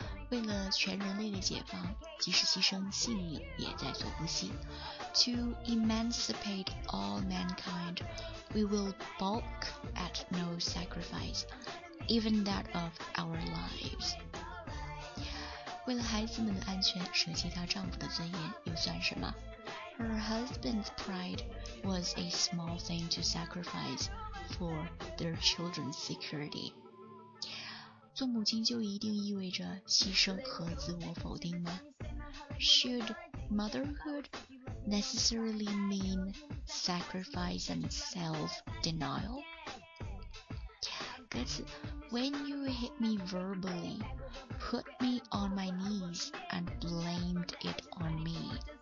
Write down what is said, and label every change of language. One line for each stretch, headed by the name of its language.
Chinese: 为了全人类的解放，即使牺牲性命也在所不惜。
English: To emancipate all mankind， We will balk at no sacrifice， Even that of our lives。
Chinese: 为了孩子们的安全，舍弃她丈夫的尊严又算什么？
English: Her husband's pride was a small thing to sacrifice for their children's security。
Chinese: 做母亲就一定意味着牺牲和自我否定吗？
English: Should motherhood necessarily mean sacrifice and self-denial?
Chinese: 歌词
English: When you hit me verbally, put me on my knees and blamed it on me.